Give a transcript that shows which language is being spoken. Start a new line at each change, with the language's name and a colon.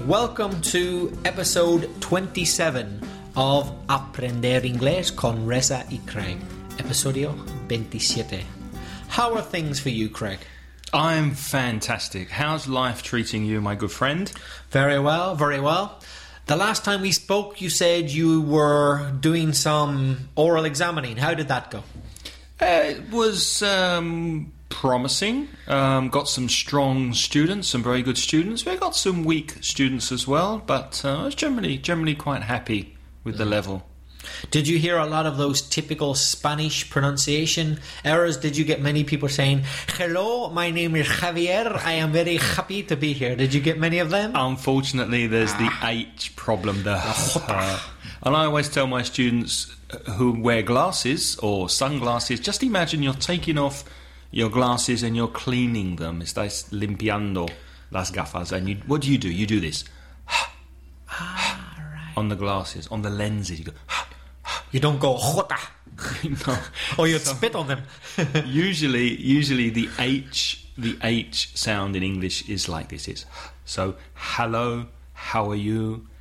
English: Welcome to episode 27 of Aprender Inglés con Reza y Craig.
Spanish: Episodio 27.
English: How are things for you, Craig? I'm fantastic. How's life treating you, my good friend? Very well, very well. The last time we spoke, you said you were doing some oral examining. How did that go? It was promising. Got some strong students, some very good students. We got some weak students as well, but I was generally quite happy with the level. Did you hear a lot of those typical Spanish pronunciation errors? Did you get many people saying, "Hello, my name is Javier. I am very happy to be here." Did you get many of them? Unfortunately, there's the H problem there. And I always tell my students who wear glasses or sunglasses, just imagine you're taking off your glasses and you're cleaning them.
Spanish: Estás limpiando las gafas.
English: And you, what do? You do this. On the glasses, on the lenses, you go. You don't go jota. No. Or you'd spit on them. usually the H sound in English is like this. It's so hello, how are you?